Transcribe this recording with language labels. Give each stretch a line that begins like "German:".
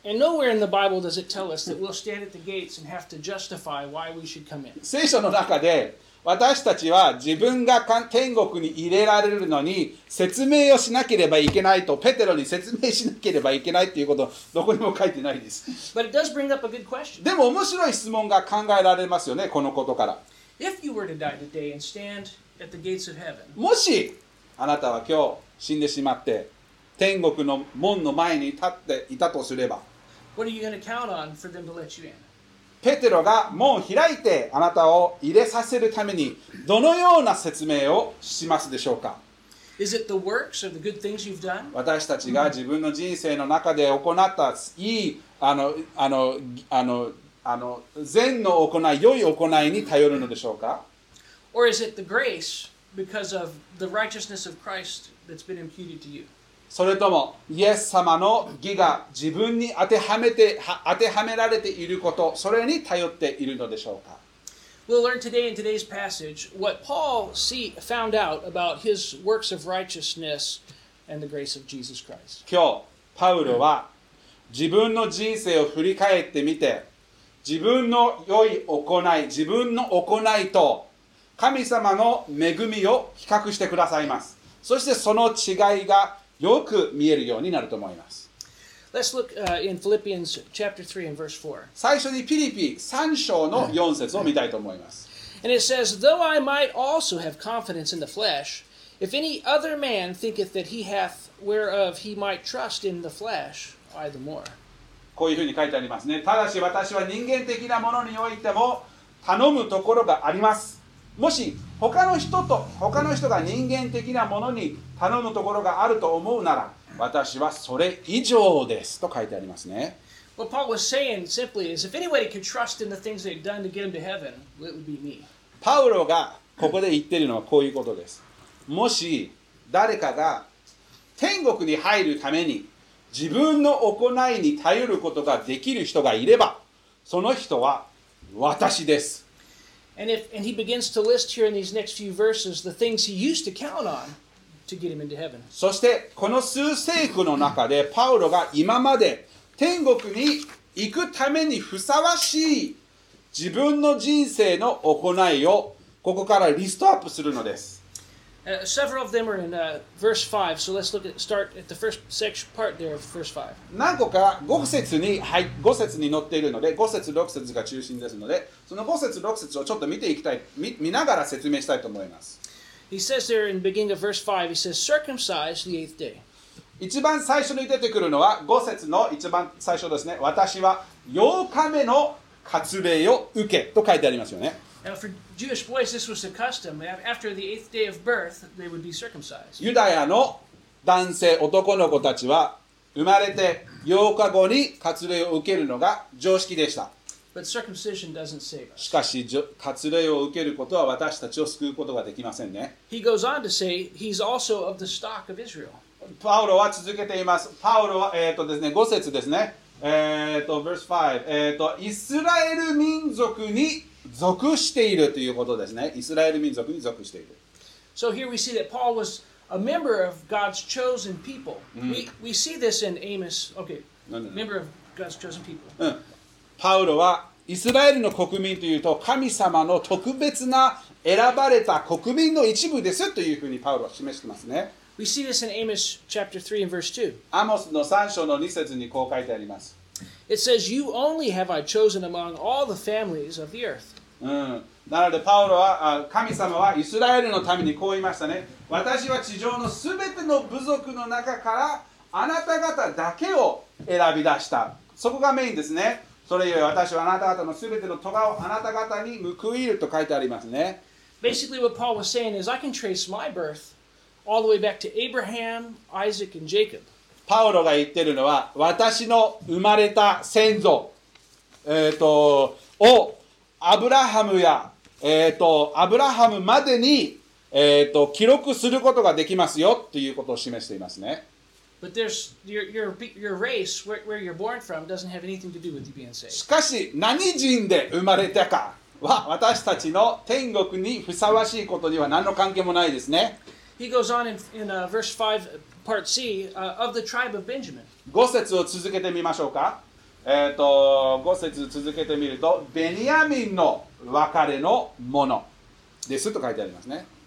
English: And nowhere in the Bible does it tell us that we'll stand at the gates and have to justify why we should come in.
Japanese: 聖書の中で私たちは自分が天国に入れられるのに説明をしなければいけないとペテロに説明しなければいけないっていうことどこにも書いてないです。
English: But it does bring up a good question.
Japanese: でも面白い質問が考えられますよね、このことから。
English: If you were to die today and stand at the gates of heaven,
Japanese: もしあなたは今日死んでしまって天国の門の前に立っていたとすれば、
English: what are you going to count on for them to let you in?
Japanese: ペテロが門を開いてあなたを入れさせるためにどのような説明をしますでしょうか。
English: Is it the works or the good things you've done?
Japanese: 私たちが自分の人生の中で行ったいい、善の行い、良い行いに頼るのでしょうか。
English: Or is it the grace because of the righteousness of Christ that's been imputed to you?
Japanese: それともイエス様の義が自分に当てはめられていること、それに頼っているのでしょうか。
English: We'll learn today in today's passage what Paul found out about his works of righteousness and the grace of Jesus Christ.
Japanese: 今日、パウロは自分の人生を振り返ってみて、自分の良い行い、自分の行いと神様の恵みを比較してくださいます。そしてその違いがよく見えるようになると思います。
English: Let's look in Philippians chapter 3 and verse 4.
Japanese: 最初にピリピ3章の4節を見たいと思います。
English: And it says, Though I might also have confidence in the flesh, if any other man thinketh that he hath whereof he might trust in the flesh, I the more.
Japanese: こういうふうに書いてありますね。ただし私は人間的なものにおいても頼むところがあります。もし他の人が人間的なものに頼むところがあると思うなら、私はそれ以上ですと書いてありますね。
English: What Paul was saying simply is, if anybody could trust in the things they've done to get him to heaven, it would be me.
Japanese: パウロがここで言っているのはこういうことです。もし誰かが天国に入るために自分の行いに頼ることができる人がいれば、その人は私です。
English: And he begins to list here in these next few verses the things he used to count on. To get him into heaven.
Japanese: そしてこの数聖句の中でパウロが今まで天国に行くためにふさわしい自分の人生の行いをここからリストアップするのです。
English: Several of them are in verse 5, so let's start at the first section part there of verse 5.
Japanese: 何個か5節に、はい、5節に載っているので、5節、6節が中心ですので、その5節、6節をちょっと見ていきたい、見ながら説明したいと思います。
English: He says there in the beginning of verse 5, he says, circumcised the eighth day.
Japanese: 一番最初に出てくるのは5節の一番最初ですね。私は8日目の割礼を受けと書いてありますよね。
English: Now for Jewish boys, this was a custom. After the eighth day of birth, they would be circumcised.
Japanese: ユダヤの男性、男の子たちは生まれて8日後に割礼を受けるのが常識でした。
English: But circumcision doesn't save us.
Japanese: しかし、割礼を受けることは私たちを救うことができませんね。
English: He goes on to say, he's also of the stock of Israel.
Japanese: パウロは続けています。パウロは、ですね、5節ですね。
English: verse 5。
Japanese: イスラエル民族に属しているということですね。イスラエル民族に属している。
English: So here we see that Paul was a member of God's chosen people.、うん、we see this in Amos. Okay, member of God's chosen people.、
Japanese: うんパウロはイスラエルの国民というと神様の特別な選ばれた国民の一部ですというふうにパウロは示してますね。
English: We see this in Amos chapter 3 and verse 2.
Japanese: アモスの3章の2節にこう書いてあります。
English: It says, You only have I chosen among all the families of the earth.、
Japanese: うん、なのでパウロは神様はイスラエルのためにこう言いましたね。私は地上のすべての部族の中からあなた方だけを選び出した。そこがメインですね。それゆえ私はあなた方のすべての咎をあなた方に報いると書いてありますね。
English: Basically, what Paul was saying is, I can trace my birth all the way back to Abraham, Isaac, and Jacob.
Japanese: パウロが言ってるのは、私の生まれた先祖、をアブラハムや、アブラハムまでに、記録することができますよということを示していますね。
English: But there's your race where you're born from doesn't have anything to do with you being saved.
Japanese: しかし何人で生まれたかは私たちの天国にふさわしいことには何の関係もないですね。
English: He goes on in verse 5, part C, of the tribe of Benjamin.
Japanese: 5節を続けてみましょうか。5節続けてみると、ベニヤミンの別れのものですと書いてありますね。